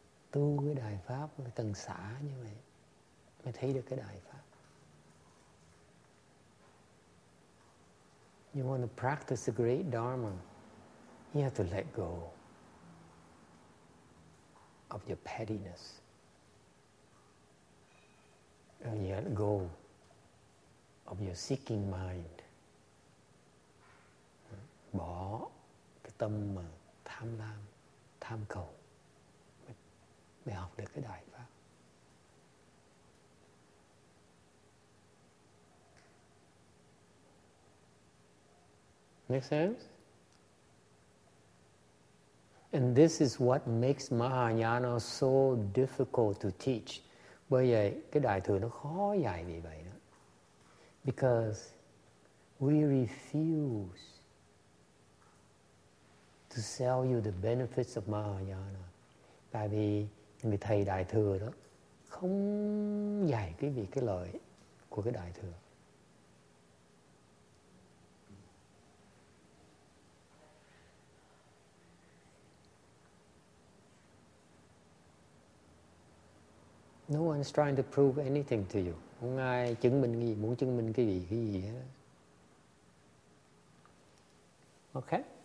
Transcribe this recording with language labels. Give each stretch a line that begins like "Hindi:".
Vietnamese: Tu cái đại pháp phải từng xả như vậy mới thấy được cái đại pháp.
English: You want to practice the great Dharma, you have to let go of your pettiness. And you let go of your seeking mind.
Vietnamese: Bỏ cái tâm mà tham lam, tham cầu. Mới học được cái đại pháp.
English: Make sense? And this is what makes Mahayana so difficult to teach.
Vietnamese: Bởi vậy, cái đại thừa nó khó dạy vì vậy đó.
English: Because we refuse to sell you the benefits of Mahayana.
Vietnamese: Tại vì người thầy đại thừa đó không dạy cái vì cái lợi của cái đại thừa.
English: No one's trying to prove anything to you.
Vietnamese: Không ai chứng minh gì, muốn chứng minh cái gì hết.
English: Okay.